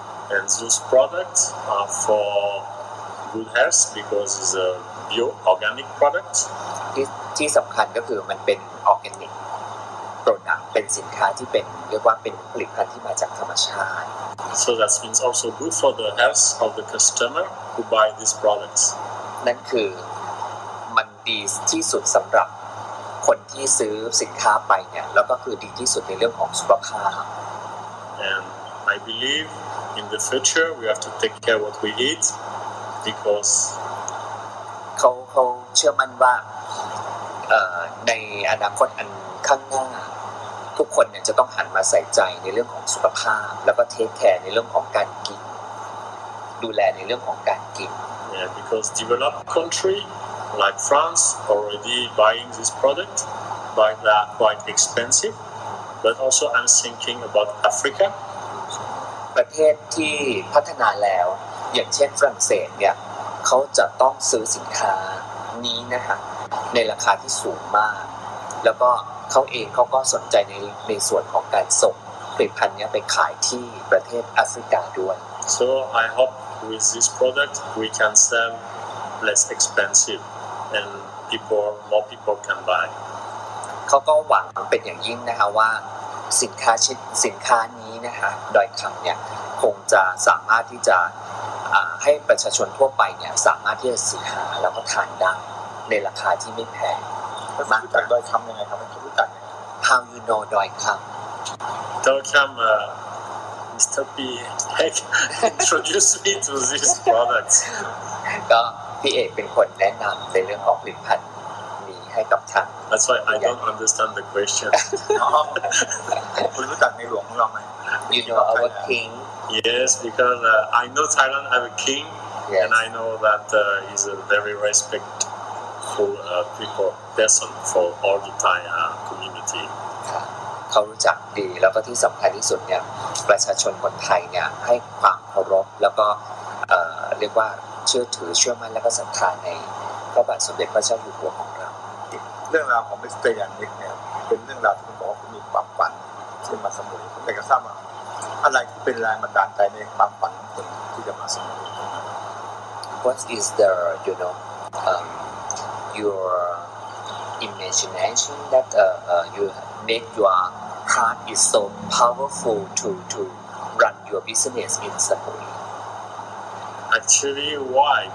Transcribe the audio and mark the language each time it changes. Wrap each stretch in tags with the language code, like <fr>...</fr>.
<en>and these products are for good health because it's a bio organic product</en> <th>ที่สำคัญก็คือมันเป็นออร์แกนิกโปรดักต์เป็นสินค้าที่เป็นเรียกว่าเป็นผลิตภัณฑ์ที่มาจากธรรมชาติ</th> <en>So that means also good for the health of the customer who buy these products.</en> <th>นั่นคือมันดีที่สุดสำหรับคนที่ซื้อสินค้าไปเนี่ยแล้วก็คือดีที่สุดในเรื่องของสุขภาพ</th> <en>And I believe in the future we have to take care of what we eat because</en> <th>เขาเชื่อมั่นว่าในอนาคตอันข้างหน้าทุกคนเนี่ยจะต้องหันมาใส่ใจในเรื่องของสุขภาพแล้วก็เทคแคร์ในเรื่องของการกินดูแลในเรื่องของการกิน</th> <en>Yeah because developed country like France already buying this product by that quite expensive but also I'm thinking about Africa</en> <th>ประเทศที่พัฒนาแล้วอย่างเช่นฝรั่งเศสเนี่ยเขาจะต้องซื้อสินค้านี้นะฮะในราคาที่สูงมากแล้วก็เขาเองเขาก็สนใจในส่วนของการส่งผลิตภัณฑ์นี้ไปขายที่ประเทศแอฟริกาด้วย</th> <en>So I hope with this product we can sell less expensive and more people can buy</en> <th>เขาก็หวังเป็นอย่างยิ่งนะคะว่าสินค้านี้นะคะดอยคำเนี่ยคงจะสามารถที่จะให้ประชาชนทั่วไปเนี่ยสามารถที่จะซื้อหาแล้วก็ทานได้ในราคาที่ไม่แพง มันจากดอยคำยังไงครับ</th> <en>How you know Doi Kham? Doi Kham, Mr. P, introduce me to this product.</en> <th>ก็พี่เอกเป็นคนแนะนำในเรื่องของผลิตภัณฑ์นี้ให้กับท่าน</th> <en>That's why I don't understand the question.</en> <th>คุณรู้จักในหลวงของเราไหม</th> <en>You know our king? Yes, because I know Thailand have a king, yes. And I know that he's a very respectful people, person for all the Thai community.</en> <th>เขารู้จักดีแล้วก็ที่สำคัญที่สุดเนี่ยประชาชนคนไทยเนี่ยให้ความเคารพแล้วก็เรียกว่าเชื่อถือเชื่อมั่นแล้วก็ศรัทธาในพระบาทสมเด็จพระเจ้าอยู่หัวของเรา เรื่องราวของมิสเตอร์ยานิกเนี่ยเป็นเรื่องราวที่คุณบอกคุณมีความฝันขึ้นมาสมุยแต่ก็ทราบว่าอะไรที่เป็นแรงบันดาลใจในความฝันของคุณที่จะมาสมุย</th> <en>What is the you know yourimagination that you make your heart is so powerful to run your business in Samui. Actually, why?</en>